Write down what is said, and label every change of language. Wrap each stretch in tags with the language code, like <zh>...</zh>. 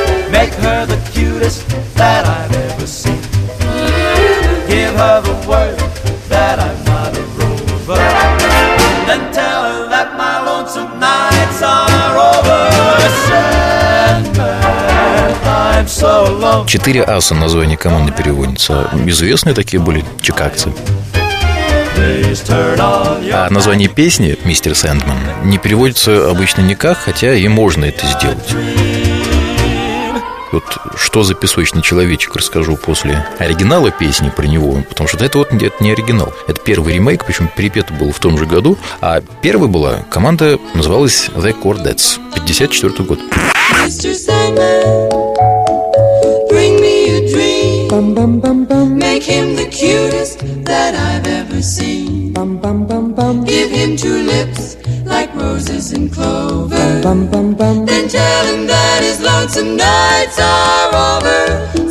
<en>Make her the cutest that I've ever seen. Give her the word that I'm not a rover. Then tell her that my lonesome nights are over. Sandman, I'm so alone.</en> <ru>4 аса название команды переводится. Известные такие были чикагцы. А название песни «Мистер Сэндман» не переводится обычно никак, хотя и можно это сделать. Вот что за песочный человечек, расскажу после оригинала песни про него, потому что это не оригинал. Это первый ремейк, причем перепет был в том же году, а первая была, команда называлась «The Cordettes», 54-й год.</ru> <en>Мистер Сэндман, bring me a dream. Bum, bum, bum, bum. Make him the cutest that I've ever seen. Bum, bum, bum, bum. Give him two lips like roses and clover. Bum, bum, bum, bum. Then tell him that his lonesome nights are over.</en>